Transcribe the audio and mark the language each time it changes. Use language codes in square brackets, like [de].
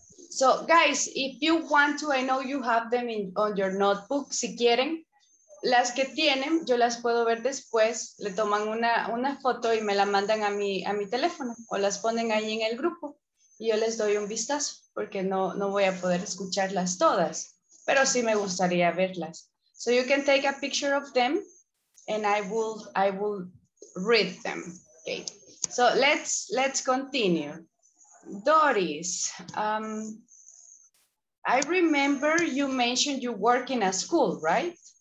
[en] So, guys, if you want to, I know you have them in, on your notebook, [es] si quieren. Las que tienen, yo las puedo ver después, le toman una foto y me la mandan a mi teléfono o las ponen ahí en el grupo y yo les doy un vistazo porque no voy a poder escucharlas todas, pero sí me gustaría verlas. [en] So you can take a picture of them and I will read them. Okay. So let's continue. Doris, I remember you mentioned you work in a school, right?